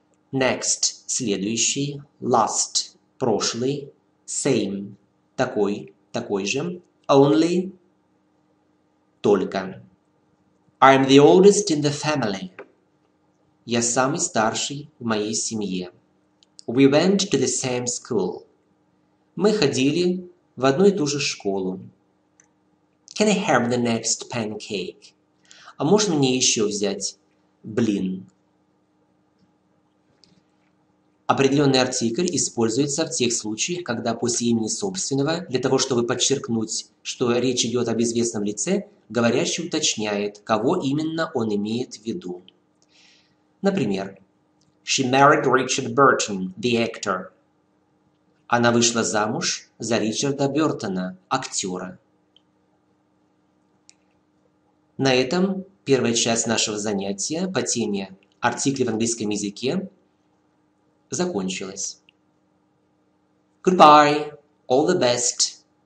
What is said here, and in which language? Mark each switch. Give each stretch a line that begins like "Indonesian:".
Russian: Next – следующий, last – прошлый, same – такой, такой же, only – только.
English: I'm the oldest in the family.
Russian: Я самый старший в моей семье.
English: We went to the same school.
Russian: Мы ходили в одну и ту же школу.
English: Can I have the next pancake?
Russian: А можно мне еще взять блин? Определенный артикль используется в тех случаях, когда после имени собственного, для того чтобы подчеркнуть, что речь идет об известном лице, говорящий уточняет, кого именно он имеет в виду.
English: Например, She married Richard Burton, the actor.
Russian: Она вышла замуж за Ричарда Бертона, актера. На этом первая часть нашего занятия по теме «Артикли в английском языке» закончилось.
English: Goodbye. All the best.